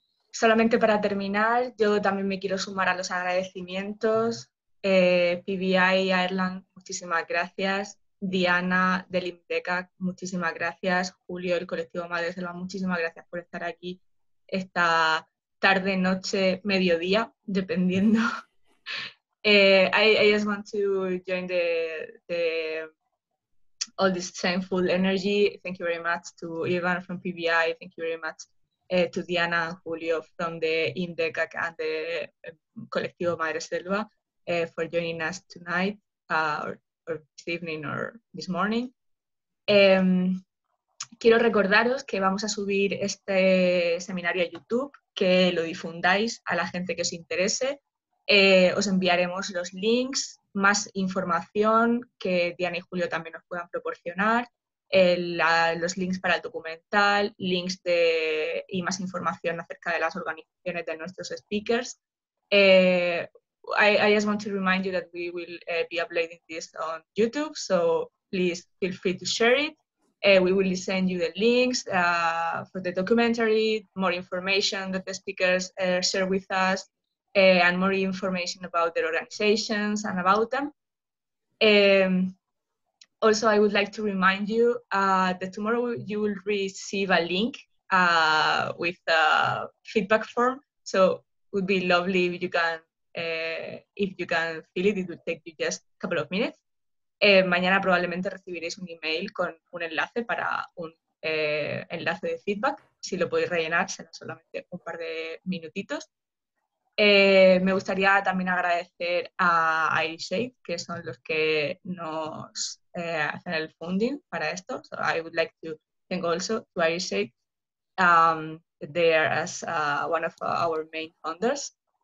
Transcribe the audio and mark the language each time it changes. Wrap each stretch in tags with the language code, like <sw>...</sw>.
<es>Solamente para terminar, yo también me quiero sumar a los agradecimientos. PBI, Ireland, muchísimas gracias. Diana, del IMDECA, muchísimas gracias. Julio, el colectivo Madre Selva, muchísimas gracias por estar aquí esta tarde, noche, mediodía, dependiendo.</es> <en>I just want to join the all this thankful energy. Thank you very much to Ivan from PBI. Thank you very much to Diana and Julio from the IMDECA and the Colectivo Madre Selva for joining us tonight or this evening or this morning.</en> <es>Quiero recordaros que vamos a subir este seminario a YouTube, que lo difundáis a la gente que os interese. Os enviaremos los links, más información que Diana y Julio también nos puedan proporcionar, los links para el documental, links de y más información acerca de las organizaciones de nuestros speakers.</es> <en>I just want to remind you that we will be uploading this on YouTube, so please feel free to share it. We will send you the links for the documentary, more information that the speakers share with us, and more information about their organizations and about them. Also, I would like to remind you that tomorrow you will receive a link with a feedback form. So it would be lovely if you can fill it. It would take you just a couple of minutes.</en> <es>Mañana probablemente recibiréis un email con un enlace para un enlace de feedback. Si lo podéis rellenar, será solamente un par de minutitos. Me gustaría también agradecer a iShape, que son los que nos hacen el funding para esto.</es> <en>So I would like to thank also to iShape. They are as one of our main founders.</en>